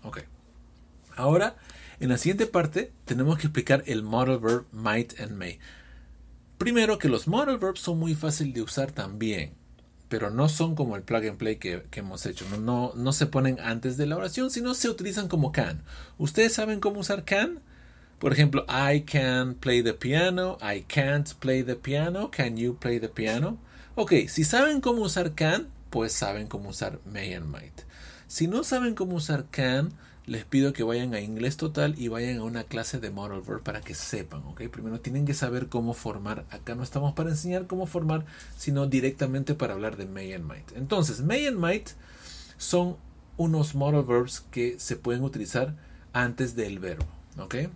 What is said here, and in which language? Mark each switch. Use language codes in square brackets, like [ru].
[es] Ok. Ahora, en la siguiente parte, tenemos que explicar el modal verb might and may. Primero, que los modal verbs son muy fáciles de usar también, pero no son como el plug and play que hemos hecho. No se ponen antes de la oración, sino se utilizan como can. ¿Ustedes saben cómo usar can? Por ejemplo, [en] I can play the piano, I can't play the piano, can you play the piano? [es] Ok, si saben cómo usar can, pues saben cómo usar may and might. Si no saben cómo usar can, les pido que vayan a inglés total y vayan a una clase de modal verb para que sepan, ¿ok? Primero tienen que saber cómo formar. Acá no estamos para enseñar cómo formar, sino directamente para hablar de may and might. Entonces, may and might son unos modal verbs que se pueden utilizar antes del verbo, ¿ok?